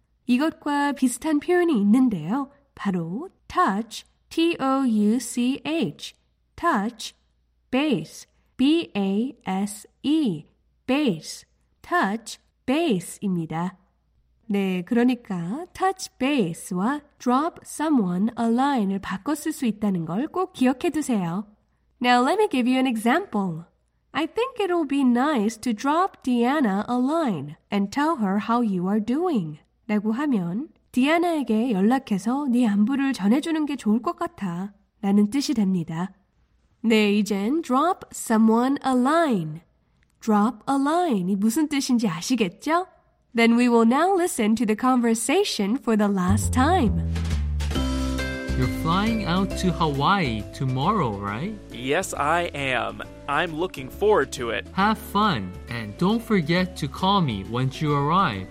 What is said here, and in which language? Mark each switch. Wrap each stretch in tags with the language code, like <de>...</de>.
<ko>이것과 비슷한 표현이 있는데요. 바로</ko> <en>touch, T-O-U-C-H, touch, base, B-A-S-E, base, touch, base입니다.</en> <ko>네, 그러니까</ko> <en>touch base</en> <ko>와</ko> <en>drop someone a line</en> <ko>을 바꿔 쓸 수 있다는 걸 꼭 기억해 두세요.</ko> <en>Now let me give you an example. I think it'll be nice to drop Deanna a line and tell her how you are doing.</en> <ko>라고 하면 디아나에게 연락해서 네 안부를 전해주는 게 좋을 것 같아 라는 뜻이 됩니다. 네, 이젠</ko> <en>drop someone a line. Drop a line</en> <ko>이 무슨 뜻인지 아시겠죠?</ko> <en>Then we will now listen to the conversation for the last time. You're flying out to Hawaii tomorrow, right? Yes, I am. I'm looking forward to it. Have fun, and don't forget to call me once you arrive.</en>